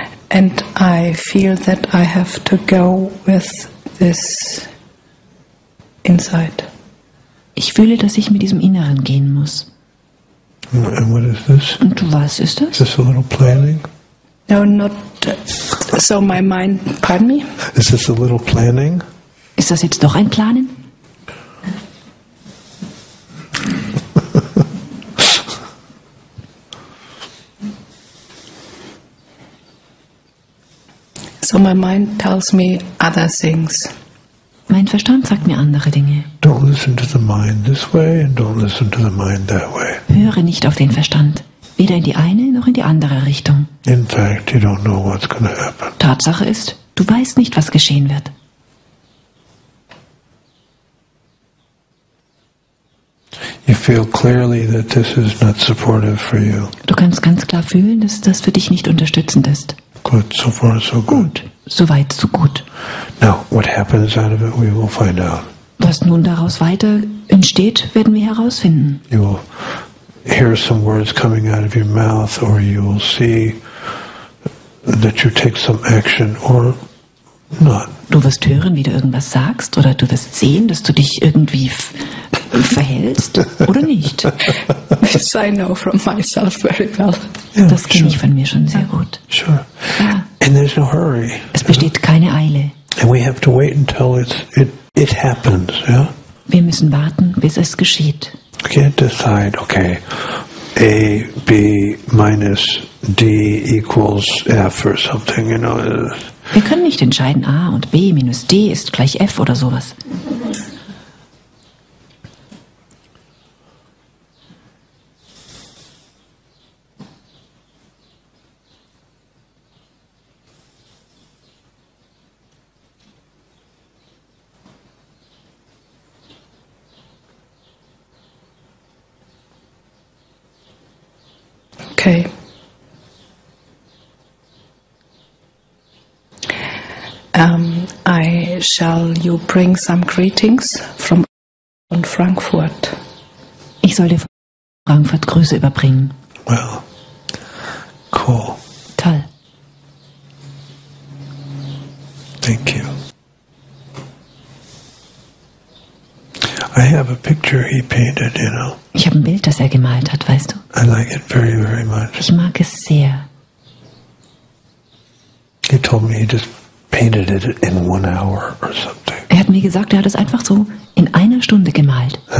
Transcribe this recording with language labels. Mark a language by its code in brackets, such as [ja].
[en] And I feel that I have to go with this inside. [de] Ich fühle, dass ich mit diesem Inneren gehen muss. [en] And what is this? [de] Und was ist das? [en] Is this a little planning? No, not so my mind, pardon me. Is this a little planning? [de] Ist das jetzt doch ein Planen? [en] So my mind tells me other things. [de] Mein Verstand sagt mir andere Dinge. [en] Don't listen to the mind this way and don't listen to the mind that way. [de] Höre nicht auf den Verstand, weder in die eine noch in die andere Richtung. [en] In fact, you don't know what's going to happen. [de] Tatsache ist, du weißt nicht, was geschehen wird. [en] You feel clearly that this is not supportive for you. [de] Du kannst ganz klar fühlen, dass das für dich nicht unterstützend ist. [en] Good, so far so good. [de] So weit, so gut. [en] Now, what happens out of it, we will find out. [de] Was nun daraus weiter entsteht, werden wir herausfinden. [en] You will hear some words coming out of your mouth, or you will see that you take some action, or not. [de] Du wirst hören, wie du irgendwas sagst, oder du wirst sehen, dass du dich irgendwie verhältst, oder nicht. [en] This I know from myself very well. [de] Yeah, das kenne ich von mir schon sehr gut. [en] Sure. [de] Ja. [en] And there's no hurry. [de] Es besteht keine Eile. [en] And we have to wait until it happens, yeah? [de] Wir müssen warten, bis es geschieht. [en] You can't decide, okay, A, B minus D equals F or something, you know. [de] Wir können nicht entscheiden, A und B minus D ist gleich F oder sowas. [en] Okay. I shall you bring some greetings from Frankfurt. [de] Ich soll dir von Frankfurt Grüße überbringen. [en] Well, cool. [de] Toll. [en] Thank you. I have a picture he painted, you know. [de] Ich habe ein Bild, das er gemalt hat, weißt du? [en] I like it very, very much. [de] Ich mag es sehr. [en] He told me he just painted it in 1 hour or something. [de] Er hat mir gesagt, er hat es einfach so in einer Stunde gemalt.